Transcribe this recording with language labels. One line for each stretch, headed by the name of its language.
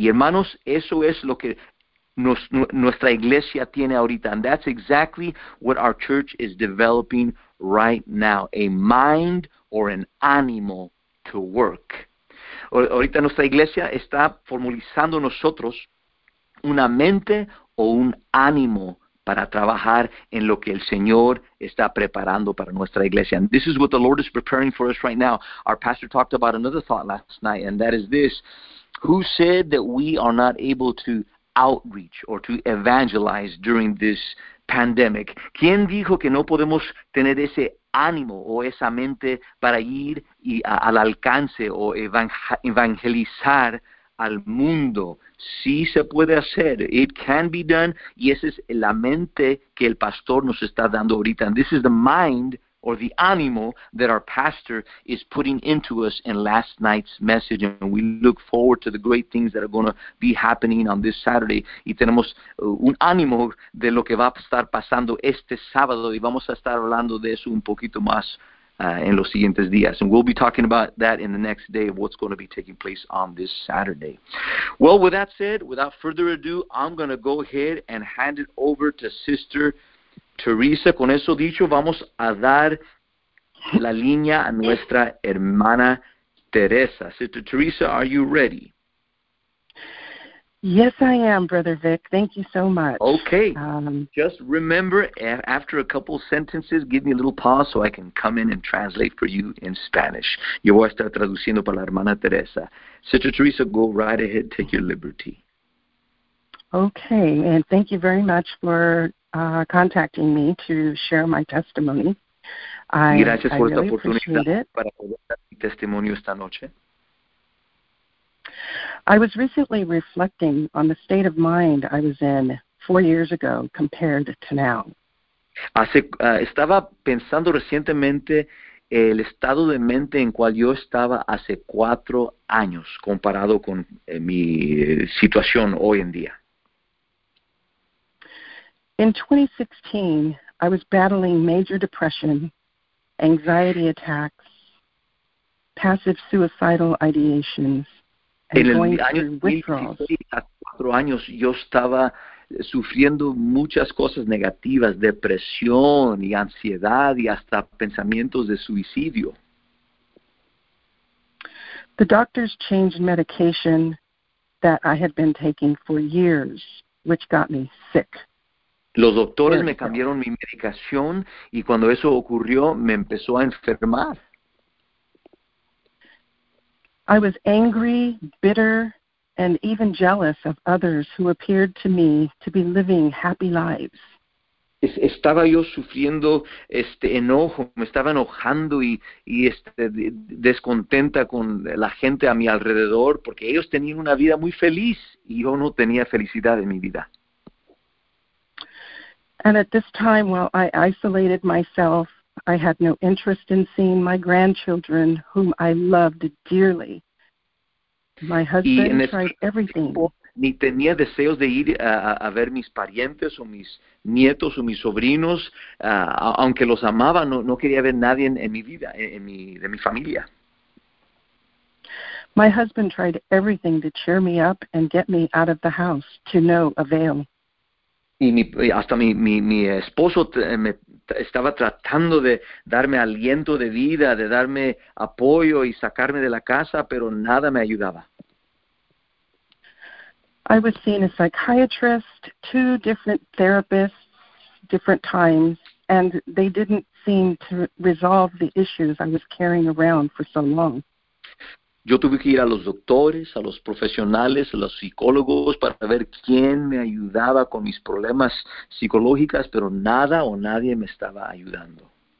Spanish: Y hermanos, eso es lo que nuestra iglesia tiene ahorita.
English: And that's exactly what our church is developing right now. A mind or an ánimo to work.
Spanish: Ahorita nuestra iglesia está formulizando nosotros una mente o un ánimo para trabajar en lo que el Señor está preparando para nuestra iglesia.
English: And this is what the Lord is preparing for us right now. Our pastor talked about another thought last night, and that is this. Who said that we are not able to outreach or to evangelize during this pandemic?
Spanish: ¿Quién dijo que no podemos tener ese ánimo o esa mente para ir y al alcance o evangelizar al mundo? Sí se puede hacer.
English: It can be done.
Spanish: Y esa es la mente que el pastor nos está dando ahorita.
English: And this is the mind or the ánimo that our pastor is putting into us in last night's message. And we look forward to the great things that are going to be happening on this Saturday.
Spanish: Y tenemos un ánimo de lo que va a estar pasando este sábado. Y vamos a estar hablando de eso un poquito más en los siguientes días.
English: And we'll be talking about that in the next day, of what's going to be taking place on this Saturday. Well, with that said, without further ado, I'm going to go ahead and hand it over to Sister Teresa.
Spanish: Con eso dicho, vamos a dar la línea a nuestra hermana Teresa.
English: Sister Teresa, are you ready? Yes, I am, Brother Vic. Thank you so much. Okay. Just remember, after a couple sentences, give me a little pause so I can come in and translate for you in Spanish.
Spanish: Yo voy a estar traduciendo para la hermana Teresa.
English: Sister Teresa, go right ahead. Take your liberty. Okay, and thank you very much for contacting me to share my testimony.
Spanish: Gracias por
English: I really
Spanish: oportunidad para poder dar mi testimonio esta noche.
English: I was recently reflecting on the state of mind I was in 4 years ago compared to now.
Spanish: Estaba pensando recientemente el estado de mente en cual yo estaba hace 4 años comparado con mi situación hoy en día.
English: In 2016, I was battling major depression, anxiety attacks, passive suicidal ideations,
Spanish: en el año 2016, hace 4 años, yo estaba sufriendo muchas cosas negativas, depresión y ansiedad y hasta pensamientos de suicidio.
English: The doctors changed medication that I had been taking for years, which got me sick.
Spanish: Los doctores me cambiaron mi medicación y cuando eso ocurrió me empezó a enfermar.
English: I was angry, bitter, and even jealous of others who appeared to me to be living happy lives.
Spanish: Estaba yo sufriendo enojo, me estaba enojando y descontenta con la gente a mi alrededor porque ellos tenían una vida muy feliz y yo no tenía felicidad en mi vida.
English: And at this time, while I isolated myself, I had no interest in seeing my grandchildren, whom I loved dearly. My husband tried everything.
Spanish: Ni tenía deseos de ir a ver mis parientes o mis nietos o mis sobrinos, aunque los amaba, no quería ver nadie en mi vida, de mi familia.
English: My husband tried everything to cheer me up and get me out of the house to no avail.
Spanish: Y hasta mi esposo me estaba tratando de darme aliento de vida, de darme apoyo y sacarme de la casa, pero nada me ayudaba.
English: I was seeing a psychiatrist, 2 different therapists, different times, and they didn't seem to resolve the issues I was carrying around for so long.
Spanish: Yo tuve que ir a los doctores, a los profesionales, a los psicólogos para ver quién me ayudaba con mis problemas psicológicos, pero nada o nadie me estaba ayudando.